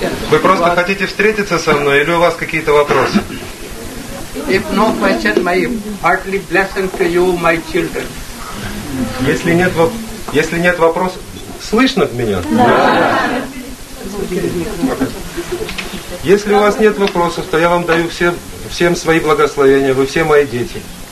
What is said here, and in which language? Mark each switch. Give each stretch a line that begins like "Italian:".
Russian: Вы просто хотите встретиться со мной или у вас какие-то вопросы?
English: If no question, my heartly blessing to you, my children.
Russian: Если нет вопросов, слышно меня? Да. Если у вас нет вопросов, то я вам даю всем свои благословения, вы все мои дети.